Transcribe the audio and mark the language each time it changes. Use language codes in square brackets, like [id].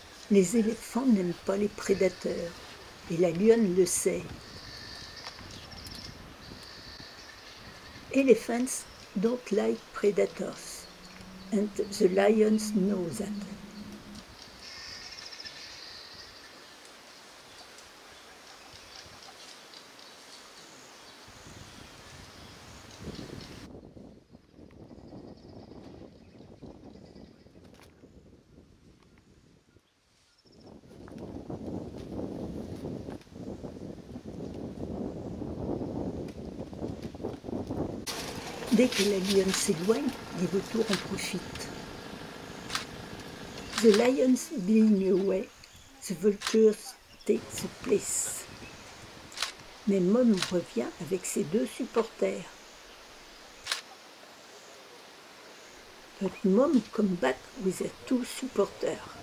[fr] Les éléphants n'aiment pas les prédateurs, et la lionne le sait. [en] Elephants don't like predators, and the lions know that. [fr] Dès que la lionne s'éloigne, les vautours en profitent. [en] The lions being away, the vultures take the place. [fr] Mais Mom revient avec ses deux supporters. [en] But Mom comes back with her two supporters.